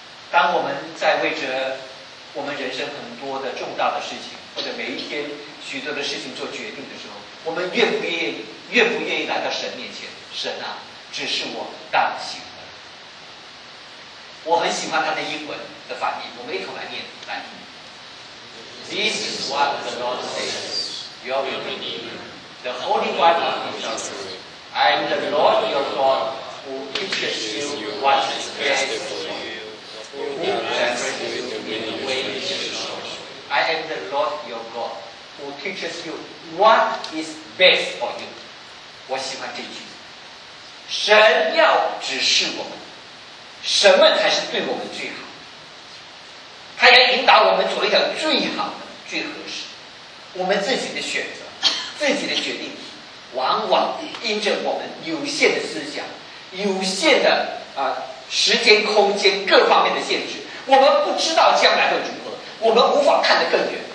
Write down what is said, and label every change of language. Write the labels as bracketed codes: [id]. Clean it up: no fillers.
[zh] 当我们在为着我们人生很多的重大的事情，或者每一天许多的事情做决定的时候，我们愿不愿意来到神面前？神啊，指示我当行。我很喜欢他的英文的翻译，我们一同来念翻译。 [en] This is what the Lord says, your Redeemer, the Holy One of Israel. I am the Lord your God, who teaches you what is best for you, who directs you in the way you should go. I am the Lord your God, who teaches you what is best for you. [zh] 我喜欢这句，神要指示我们什么才是对我们最好，他要引导我们走一条最好的、最合适。我们自己的选择、自己的决定，往往因着我们有限的思想、有限的时间、空间各方面的限制，我们不知道将来会如何，我们无法看得更远。